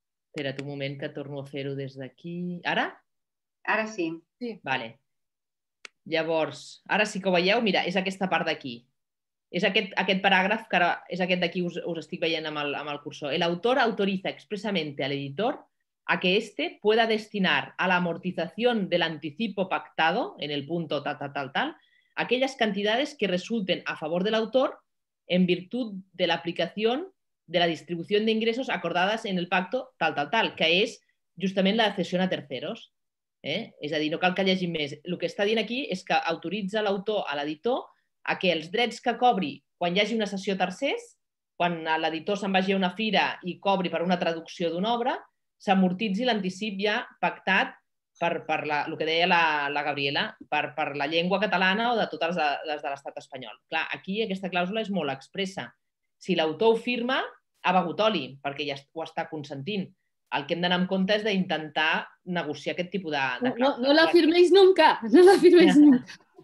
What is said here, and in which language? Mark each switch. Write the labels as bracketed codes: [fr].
[ca] Espera't un moment que torno a fer-ho des d'aquí. Ara? Ara sí. Vale. Llavors, ara sí que ho veieu, mira, és aquesta part d'aquí. És aquest paràgraf, que ara és aquest d'aquí, us estic veient amb el cursor. [es] El autor autoriza expressamente al editor a que este pueda destinar a la amortización del anticipo pactado, en el punto tal, tal, tal, tal, aquellas cantidades que resulten a favor del autor en virtud de la aplicación de la distribución de ingresos acordadas en el pacto tal, tal, tal, [ca] que és justament la cessió [es] a terceros. [ca] És a dir, no cal que hi hagi més. El que està dient aquí és que autoritza l'autor a l'editor a que els drets que cobri quan hi hagi una cessió a tercers, quan l'editor se'n vagi a una fira i cobri per una traducció d'una obra, s'amortitzi l'anticip ja pactat per el que deia la Gabriela, per la llengua catalana o de totes les de l'estat espanyol. Clar, aquí aquesta clàusula és molt expressa. Si l'autor ho firma, ha begut oli, perquè ja ho està consentint. El que hem d'anar amb compte és d'intentar negociar aquest tipus de clàusula. [es] No la firméis nunca, no la firméis nunca.